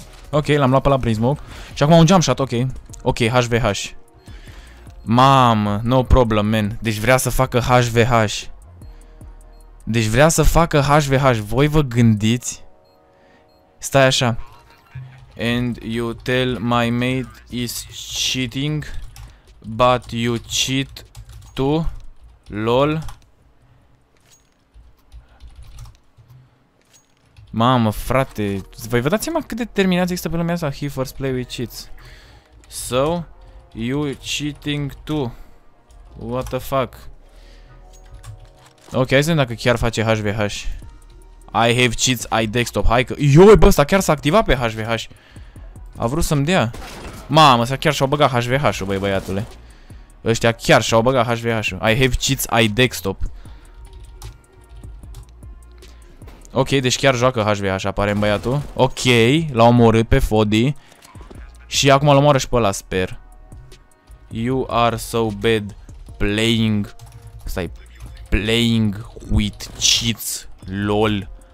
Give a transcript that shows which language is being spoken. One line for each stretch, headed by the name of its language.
Romanian: Ok, l-am luat pe la prin smoke și acum un jump shot, ok. Ok, HVH. Mamă,
English: no problem, man,
Romanian: deci vrea să facă HVH. Deci vrea să facă HVH, voi vă gândiți? Stai așa.
English: And you tell my mate is cheating, but you cheat too, lol.
Romanian: Mamă, frate, voi vă dați seama cât de terminați există pe lumea asta?
English: He first play with cheats. So, you cheating too. What the fuck?
Romanian: Ok, hai să vedem dacă chiar face HVH.
English: I have cheats, I desktop,
Romanian: hai că... Ioi, bă, ăsta chiar s-a activat pe HVH. A vrut să-mi dea. Mamă, ăsta chiar și-au băgat HVH-ul, băi băiatule. Ăștia chiar și-au băgat HVH-ul.
English: I have cheats, I desktop.
Romanian: Ok, deci chiar joacă HVH, apare în băiatul. Ok, l-a omorât pe Fody. Și acum l-a omorât și pe ăla, sper.
English: You are so bad playing.
Romanian: Stai...
English: Playing with cheats, lol.